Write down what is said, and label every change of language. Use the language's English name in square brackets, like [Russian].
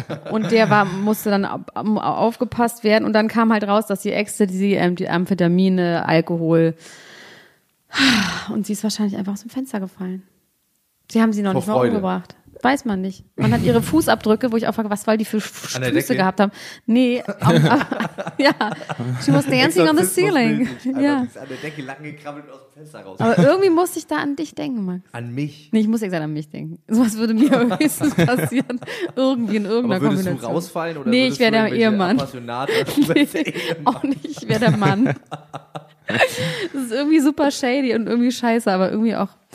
[German] Und der war, musste dann aufgepasst werden. Und dann kam halt raus, dass die Ecstasy, die Amphetamine, Alkohol. Und sie ist wahrscheinlich einfach aus dem Fenster gefallen. Sie haben sie noch vor nicht mal umgebracht. Weiß man nicht. Man hat ihre Fußabdrücke, wo ich auch frage, was weil die für Füße gehabt haben. Nee. [English] She was dancing on the ceiling. [German] Ja. An der Decke lang gekrabbelt und aus dem Fenster raus. Aber irgendwie musste ich da an dich denken, Max. An mich? Nee, ich muss exakt an mich denken. Sowas würde mir höchstens passieren. Irgendwie in irgendeiner Kombination. Würdest du rausfallen? Oder nee, ich wäre der Ehemann. Auch nicht, ich wäre der Mann. Das ist irgendwie super shady und irgendwie scheiße, aber irgendwie auch...